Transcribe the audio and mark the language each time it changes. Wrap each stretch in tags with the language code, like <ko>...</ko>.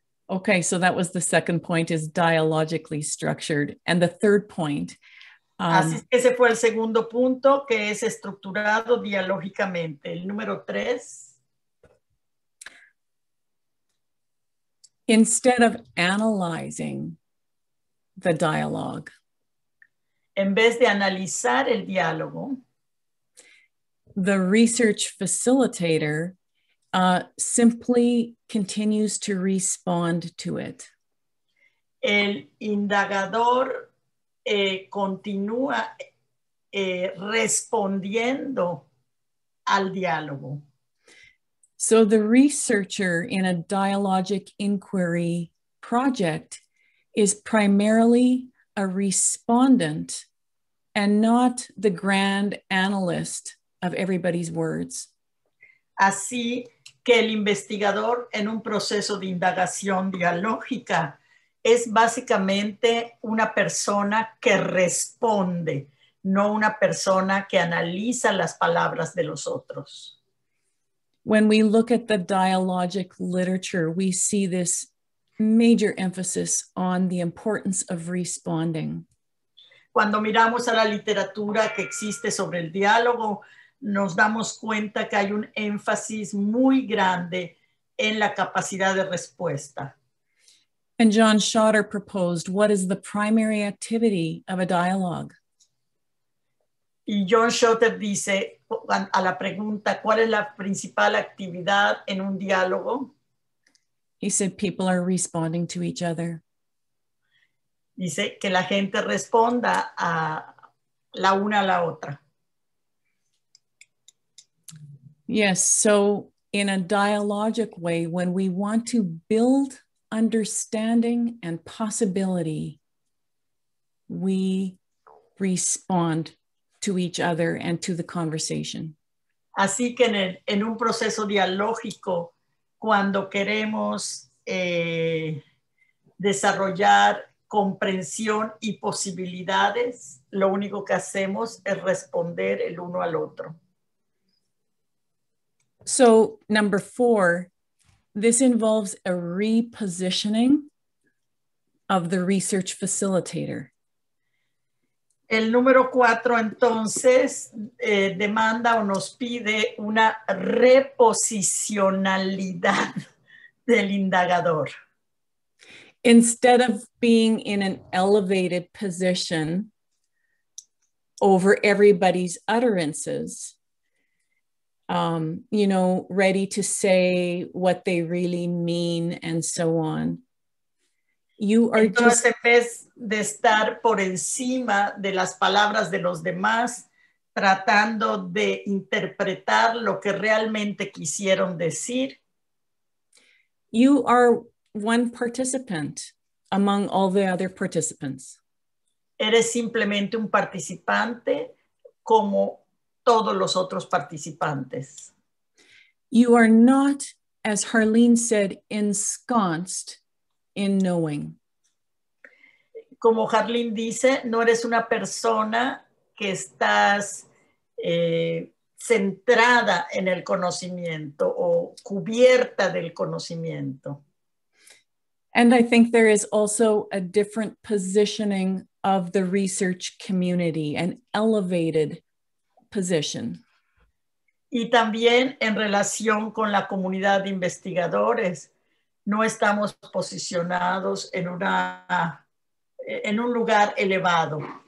<en>Okay, so that was the second point, is dialogically structured. And the third point.</en> <es>Así es que ese fue el segundo punto, que es estructurado dialógicamente. El número tres.</es> <en>Instead of analyzing the dialogue.</en> <es>En vez de analizar el diálogo.</es> <en>The research facilitator simply continues to respond to it.</en> <es>El indagador continúa respondiendo al diálogo.</es> <en>So the researcher in a dialogic inquiry project is primarily a respondent and not the grand analyst of everybody's words.</en> <es>Así que el investigador en un proceso de indagación dialógica es básicamente una persona que responde, no una persona que analiza las palabras de los otros.</es> <en>When we look at the dialogic literature, we see this major emphasis on the importance of responding.</en> <es>Cuando miramos a la literatura que existe sobre el diálogo, nos damos cuenta que hay un énfasis muy grande en la capacidad de respuesta.</es> <en>And John Schotter proposed, what is the primary activity of a dialogue?</en> <es>Y John Schotter dice, a la pregunta, ¿cuál es la principal actividad en un diálogo?</es> <en>He said, people are responding to each other.</en> <es>Dice que la gente responda a la una a la otra.</es> <en>Yes, so in a dialogic way, when we want to build understanding and possibility, we respond to each other and to the conversation.</en> <es>Así que en un proceso dialógico, cuando queremos desarrollar comprensión y posibilidades, lo único que hacemos es responder el uno al otro.</es> <en>So, number four, this involves a repositioning of the research facilitator.</en> <es>El número cuatro, entonces, demanda o nos pide una reposicionalidad del indagador.</es> <en>Instead of being in an elevated position over everybody's utterances, you know, ready to say what they really mean and so on. You are</en> <es>entonces,</es> <en>just</en> <es>en vez de estar por encima de las palabras de los demás, tratando de interpretar lo que realmente quisieron decir.</es> <en>You are one participant among all the other participants.</en> <es>Eres simplemente un participante como todos los otros participantes.</es> <en>You are not, as Harleen said, ensconced in knowing.</en> <es>Como Harleen dice, no eres una persona que estás centrada en el conocimiento o cubierta del conocimiento.</es> <en>And I think there is also a different positioning of the research community, an elevated position.</en> <es>Y también en relación con la comunidad de investigadores, no estamos posicionados en un lugar elevado.</es>